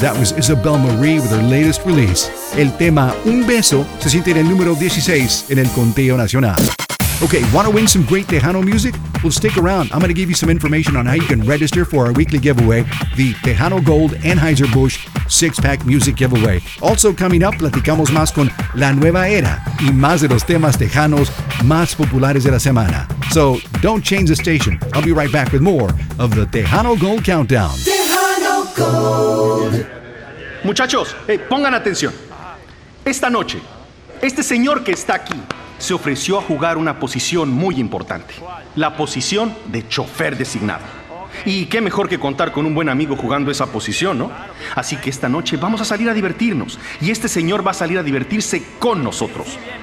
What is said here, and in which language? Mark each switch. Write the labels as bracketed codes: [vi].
[en] That was Isabel Marie with her latest release. [es] El tema Un Beso se siente en el número 16 en el conteo nacional. [en] Okay, want to win some great Tejano music? Well, stick around. I'm going to give you some information on how you can register for our weekly giveaway, the Tejano Gold Anheuser-Busch 6-Pack Music Giveaway. Also coming up, [es] platicamos más con La Nueva Era y más de los temas tejanos más populares de la semana. [en] So, don't change the station. I'll be right back with more of the Tejano Gold Countdown. [es] Muchachos, pongan atención. Esta noche, este señor que está aquí se ofreció a jugar una posición muy importante. La posición de chofer designado. Y qué mejor que contar con un buen amigo jugando esa posición, ¿no? Así que esta noche vamos a salir a divertirnos. Y este señor va a salir a divertirse con nosotros.